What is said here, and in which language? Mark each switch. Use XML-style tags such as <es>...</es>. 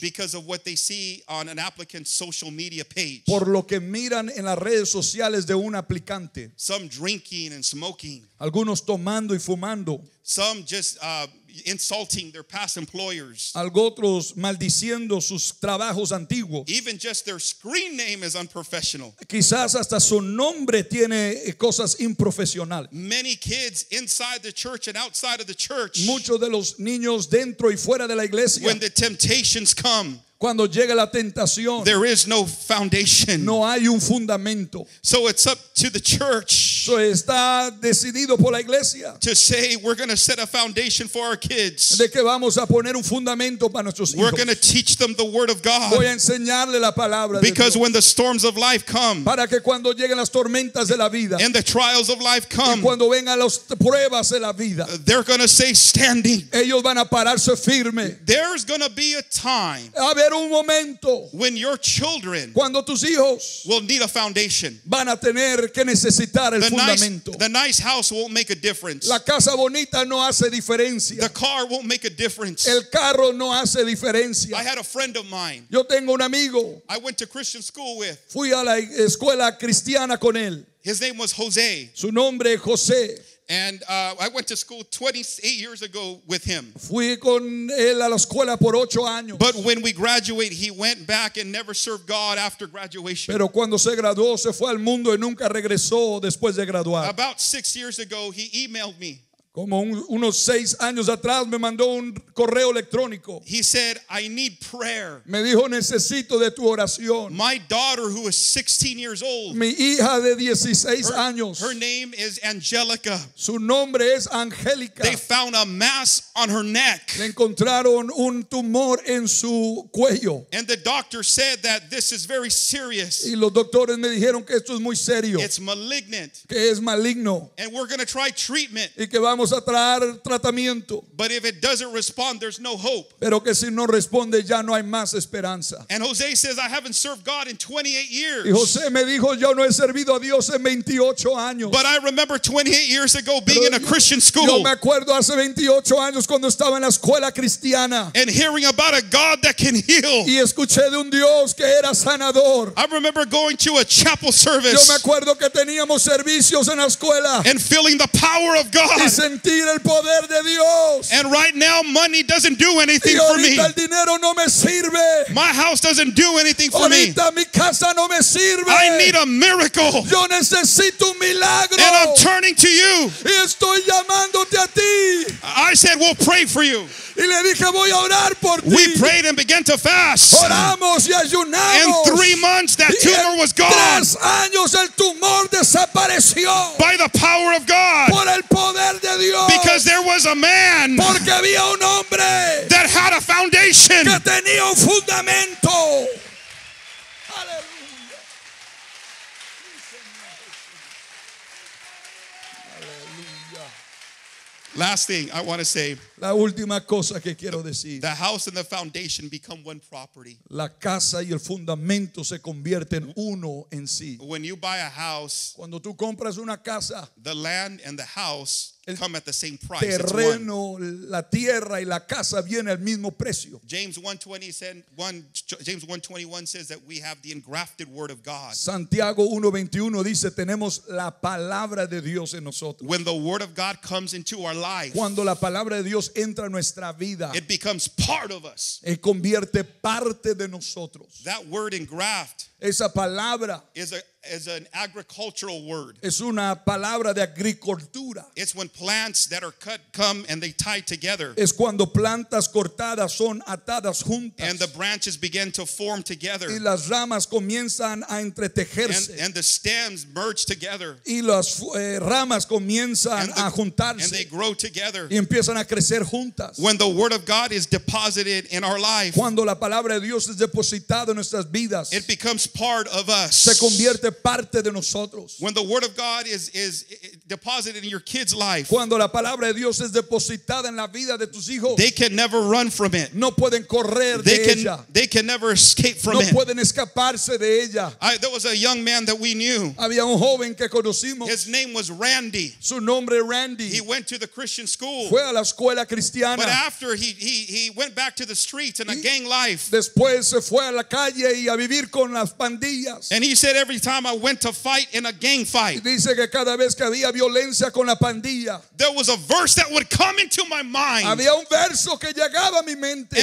<en>Because of what they see on an applicant's social media page.</en> <es>Por lo que miran en las redes sociales de un aplicante.</es> <en>Some drinking and smoking.</en> <es>Algunos tomando y fumando.</es> <en>Some just insulting their past employers.</en> <es>Algunos maldiciendo sus trabajos antiguos.</es> <en>Even just their screen name is unprofessional.</en> <es>Quizás hasta su nombre tiene cosas improfesionales.</es> <en>Many kids inside the church and outside of the church.</en> <es>Muchos de los niños dentro y fuera de la iglesia.</es> <en>When the temptations come.</en> <es>Cuando llega la tentación.</es> <en>There is no foundation.</en> <es>No hay un fundamento.</es> <en>So it's up to the church.</en> <es>So está decidido por la iglesia.</es> <en>To say we're going to set a foundation for our kids.</en> <es>De que vamos a poner un fundamento para nuestros hijos.</es> <en>We're going to teach them the word of God.</en> <es>Voy a enseñarle la palabra de Dios.</es> <en>Because when the storms of life come.</en> <es>Para que cuando lleguen las tormentas de la vida.</es> <en>And the trials of life come.</en> <es>Y cuando vengan las pruebas de la vida.</es> <en>They're going to say standing.</en> <es>Ellos van a pararse firme.</es> <en>There's going to be a time. When your children will need a foundation,</en> <es>van a tener que necesitar el fundamento.</es> <en>The nice house won't make a difference.</en> <es>La casa bonita no hace diferencia.</es> <en>The car won't make a difference.</en> <es>El carro no hace diferencia.</es> <en>I had a friend of mine.</en> <es>Yo tengo un amigo.</es> <en>I went to Christian school with.</en> <es>Fui a la escuela cristiana con él.</es> <en>His name was Jose.</en> <es>Su nombre es José.</es> <en>And I went to school 28 years ago with him.</en> <es>Fui con él a la escuela por 8 años.</es> <en>But when we graduated, he went back and never served God after graduation.</en> <es>Pero cuando se graduó, se fue al mundo y nunca regresó después de graduar.</es> <en>About 6 years ago, he emailed me.</en> <es>Como unos 6 años atrás me mandó un correo electrónico.</es> <en>He said, I need prayer.</en> <es>Me dijo, necesito de tu oración.</es> <en>My daughter who is 16 years old.</en> <es>Mi hija de 16 años.</es> <en>Her name is Angelica.</en> <es>Su nombre es Angelica.</es> <en>They found a mass on her neck.</en> <es>Le encontraron un tumor en su cuello.</es> <en>And the doctor said that this is very serious.</en> <es>Y los doctores me dijeron que esto es muy serio.</es> <en>It's malignant.</en> <es>Que es maligno.</es> <en>And we're going to try treatment.</en> <es>Y que vamos a traer tratamiento.</es> <en>But if it doesn't respond, there's no hope.</en> <es>Pero que si no responde, ya no hay más esperanza.</es> <en>And Jose says, I haven't served God in 28 years.</en> <es>Y José me dijo, yo no he servido a Dios en 28 años.</es> <en>But I remember 28 years ago being in a Christian school.</en> <es>Yo me acuerdo hace 28 años cuando estaba en la escuela cristiana.</es> <en>And hearing about a God that can heal.</en> <es>Y escuché de un Dios que era sanador.</es> <en>I remember going to a chapel service.</en> <es>Yo me acuerdo que teníamos servicios en la escuela.</es> <en>And feeling the power of God.</en> <es>Sentir el poder de Dios.</es> <en>And right now money doesn't do anything for me.</en> <es>El dinero no me sirve.</es> <en>My house doesn't do anything for</en> <es>ahorita</es> <en>me.</en> <es>Mi casa no me sirve.</es> <en>I need a miracle.</en> <es>Yo necesito un milagro.</es> <en>And I'm turning to you.</en> <es>Y estoy llamándote a ti.</es> <en>I said we'll pray for you.</en> <es>Y le dije, voy a orar por ti.</es> <en>We prayed and began to fast.</en> <es>Oramos y ayunamos.</es> <en>In 3 months that tumor was gone.</en> <es>Tres años, el tumor desapareció.</es> <en>By the power of God.</en> <es>Por el poder.</es> <en>Because there was a man</en> <es>había un that had a foundation. Que tenía un fundamento.</es> <en>Hallelujah. Last thing I want to say.</en> <es>La última cosa que quiero decir.</es> <en>The house and the foundation become one property.</en> <es>La casa y el fundamento se convierten uno en sí.</es> <en>When you buy a house,</en> <es>cuando tú compras una casa,</es> <en>the land and the house come at the same price.</en> <es>Terreno, la tierra y la casa viene al mismo precio.</es> <en>James 1:21 says that we have the engrafted word of God.</en> <es>Santiago 1:21 dice tenemos la palabra de Dios en nosotros.</es> <en>When the word of God comes into our life,</en> <es>cuando la palabra de Dios entra a nuestra vida,</es> <en>it becomes part of us.</en> <es>Se convierte parte de nosotros.</es> <en>That word engraft,</en> <es>esa palabra,</es> <en>is an agricultural word.</en> <es>Es una palabra de agricultura.</es> <en>It's when plants that are cut come and they tie together.</en> <es>Es cuando plantas cortadas son atadas juntas.</es> <en>And the branches begin to form together.</en> <es>Y las ramas comienzan a entretejerse.</es> <en>And the stems merge together.</en> <es>Y las ramas comienzan a juntarse.</es> <en>And they grow together.</en> <es>Y empiezan a crecer juntas.</es> <en>When the word of God is deposited in our life.</en> <es>Cuando la palabra de Dios es depositada en nuestras vidas.</es> <en>It becomes part of us.</en> <es>Se convierte parte de nosotros.</es> <en>When the word of God is deposited in your kid's life,</en> <es>cuando la palabra de Dios es depositada en la vida de tus hijos,</es> <en>they can never run from it.</en> <es>No pueden correr de ella.</es> <en>They can never escape from it.</en> <es>No pueden escaparse de ella.</es> <en>There was a young man that we knew.</en> <es>Había un joven que conocimos.</es> <en>His name was Randy.</en> <es>Su nombre es Randy.</es> <en>He went to the Christian school.</en> <es>Fue a la escuela cristiana.</es> <en>But after he went back to the streets and a gang life.</en> <es>Después se fue a la calle y a vivir con las pandillas.</es> <en>And he said every time I went to fight in a gang fight,</en> <es>dice que cada vez que había violencia con la pandilla,</es> <en>there was a verse that would come into my mind,</en> <es>había un verso que llegaba a mi mente,</es>